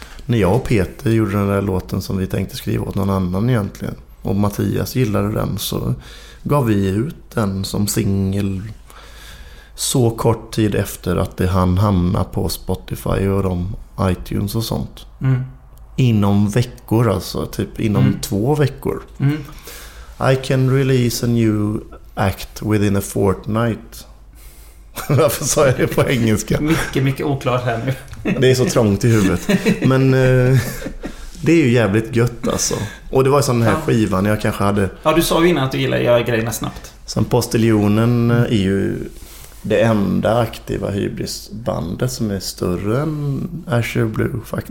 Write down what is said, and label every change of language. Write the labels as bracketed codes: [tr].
[sv] När jag och Peter gjorde den där låten som vi tänkte skriva åt någon annan egentligen, och Mattias gillade den, så gav vi ut den som singel så kort tid efter att det hann hamna på Spotify och de iTunes och sånt. Mm. Inom veckor alltså, typ inom 2 veckor. Mm. [en] I can release a new act within a fortnight. [sv] Varför sa jag det på engelska? Mycket, mycket oklart här nu. Det är så trångt i huvudet. Men det är ju jävligt gött alltså. Och det var ju sån här skivan jag kanske hade. Ja, du sa ju innan att du gillar att göra grejerna snabbt. Sen Postiljonen är ju det enda aktiva hybrisbandet som är större än Azure Blue faktiskt.